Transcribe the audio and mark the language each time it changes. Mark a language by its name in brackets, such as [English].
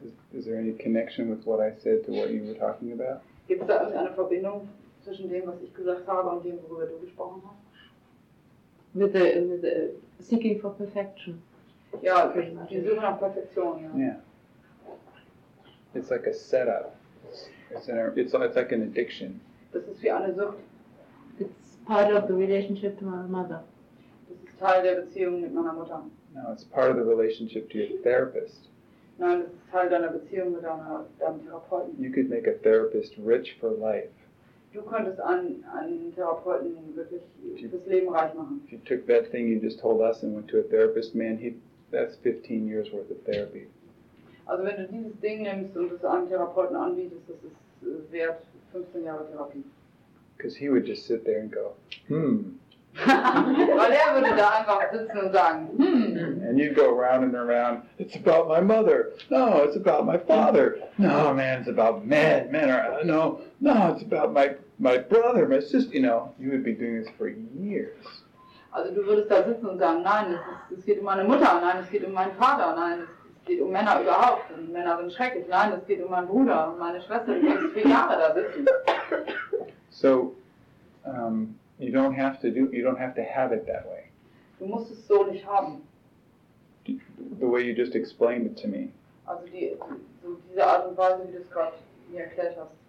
[English] Is there any connection with what I said to what you were talking about? [German] Gibt es da irgendeine Verbindung zwischen dem, was ich gesagt habe, und dem, worüber du gesprochen hast? [English] With the seeking for perfection. [German] Ja, okay. Die Suche nach Perfektion, ja. [English] Yeah. It's like a setup. It's like an addiction. [German] Das ist wie eine Sucht. [English] It's part of the relationship to my mother. [German] Das ist Teil der Beziehung mit meiner Mutter. [English] No, it's part of the relationship to your therapist. [German] Nein, das ist Teil deiner Beziehung mit deinem Therapeuten. [English] You could make a therapist rich for life. [German] Du könntest einen Therapeuten wirklich fürs Leben reich machen. [English] If you took that thing you just told us and went to a therapist, man, that's 15 years worth of therapy. [German] Also wenn du dieses Ding nimmst und es einem Therapeuten anbietest, das ist wert 15 Jahre Therapie. [English] Because he would just sit there and go, hmm. [German] Weil er würde da einfach sitzen und sagen, hmm. [English] And you'd go round and around, it's about my mother. No, it's about my father. No, man, it's about men. Men are, no, no, it's about my brother, my sister. You know, you would be doing this for years. [German] Also du würdest da sitzen und sagen, nein, es geht meine Mutter. Nein, es geht meinen Vater. Nein, es geht Männer überhaupt, und Männer sind schrecklich. Nein, es geht meinen Bruder und meine Schwester, die ganz viele Jahre da sitzen. [English] So, you don't have to do, you don't have to have it that way. [German] Du musst es so nicht haben. [English] The way you just explained it to me. [German] Also diese Art und Weise, wie du es gerade mir erklärt hast.